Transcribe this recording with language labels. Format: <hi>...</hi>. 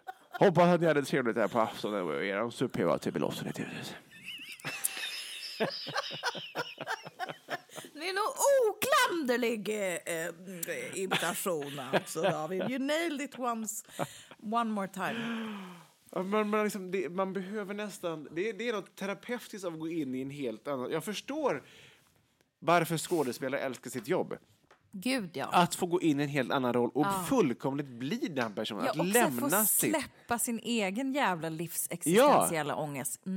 <sv>Hoppas att ni hade trevligt här på aftonen och era supé var till belåsen. Det är nog oklanderlig imitation alltså, David.</sv> <en>You nailed it one more time.</en> <sv>Man, liksom, det, man behöver nästan, det är något terapeutiskt att gå in i en helt annan. Jag förstår varför skådespelare älskar sitt jobb. Gud, ja. Att få gå in i en helt annan roll och fullkomligt bli den personen. Ja, att lämna sitt. Släppa sin egen jävla livsexistentiella ångest.</sv>